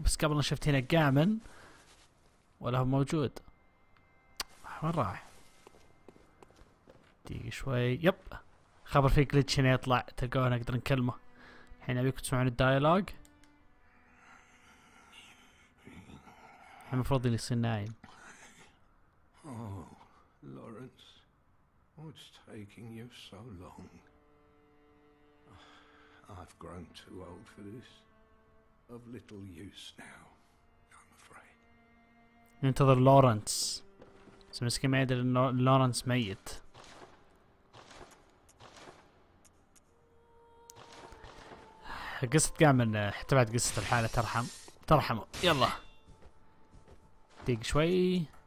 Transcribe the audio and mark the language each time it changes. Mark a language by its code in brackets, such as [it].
[ar] بس قبل شفت هنا قامن ولا هو موجود؟ وين راح؟ دقيقة شوي. يب، خبر في جلتش هنا يطلع تلقوه، نقدر نكلمه. الحين أبيكم تسمعون الدايلوج. الحين المفروض إني يصير نايم. [en] Oh, Lawrence, what's taking you so long? I've grown too old for this. Of little use now, I'm afraid. [ar] ننتظر لورنس. سمسك ما يدري ان لورنس ميت. قصة قامن حتى بعد قصة الحالة ترحم ترحمه. يلا دق شوي.